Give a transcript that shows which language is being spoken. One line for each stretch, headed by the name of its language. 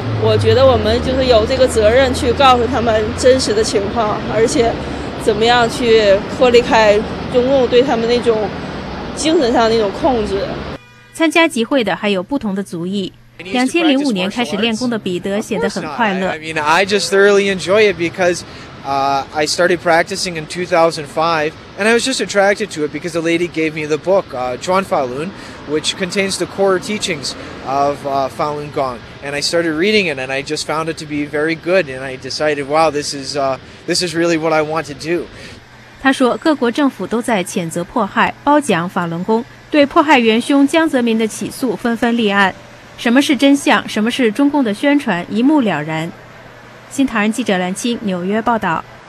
Chinese: 我觉得我们就是有这个责任去告诉他们真实的情况，而且怎么样去脱离开中共对他们那种精神上的那种控制。参加集会的还有不同的族裔，2005年开始练功的彼得显得很快乐。
English: I just thoroughly enjoy it because I started practicing in 2005 and I was just attracted to it because the lady gave me the book Chuan Falun, which contains the core teachings of Falun Gong, and I started reading it and I just found it to be very good and I decided, wow, this is really what I want to do.
Chinese: 他说，各国政府都在谴责迫害、褒奖法轮功，对迫害元凶江泽民的起诉纷纷立案。什么是真相，什么是中共的宣传，一目了然。新唐人记者蓝青，纽约报道。